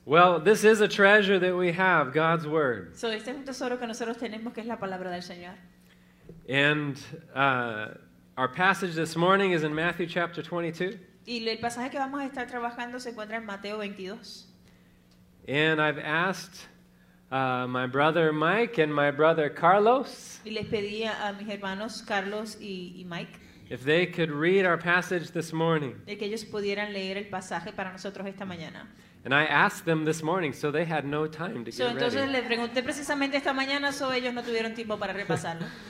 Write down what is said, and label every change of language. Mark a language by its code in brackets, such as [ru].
[en] Well, this is a treasure that we have, God's Word. [es] So, este es un tesoro que nosotros tenemos, que es la palabra del Señor. [en] And our passage this morning is in Matthew chapter 22. [es] Y el pasaje que vamos a estar trabajando se encuentra en Mateo 22. [en] And I've asked my brother Mike and my brother Carlos. [es] Y les pedí a mis hermanos Carlos y Mike. [en] If they could read our passage this morning. [es] De que ellos pudieran leer el pasaje para nosotros esta mañana. [en] And I asked them this morning, so they had no time to get ready. [es] So entonces les pregunté precisamente esta mañana, so ellos no tuvieron tiempo para repasarlo.